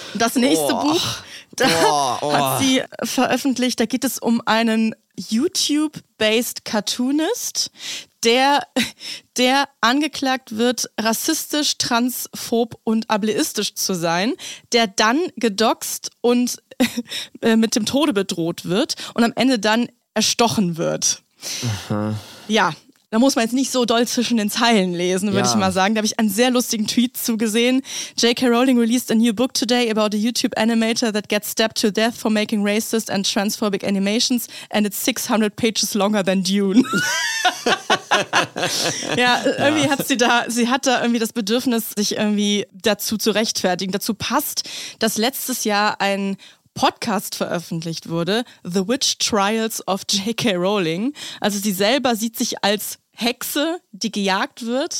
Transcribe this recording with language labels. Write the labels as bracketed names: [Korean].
[German] Das nächste Buch, da hat sie veröffentlicht, da geht es um einen YouTube-based Cartoonist, der angeklagt wird, rassistisch, transphob und ableistisch zu sein, der dann gedoxt und mit dem Tode bedroht wird und am Ende dann erstochen wird. Aha. Ja. Da muss man jetzt nicht so doll zwischen den Zeilen lesen, würde ich mal sagen. Da habe ich einen sehr lustigen Tweet zugesehen. [English] J.K. Rowling released a new book today about a YouTube animator that gets stabbed to death for making racist and transphobic animations and it's 600 pages longer than Dune. [German] Ja, irgendwie hat sie hat da irgendwie das Bedürfnis, sich irgendwie dazu zu rechtfertigen. Dazu passt, dass letztes Jahr ein Podcast veröffentlicht wurde, The Witch Trials of J.K. Rowling. Also sie selber sieht sich als Hexe, die gejagt wird.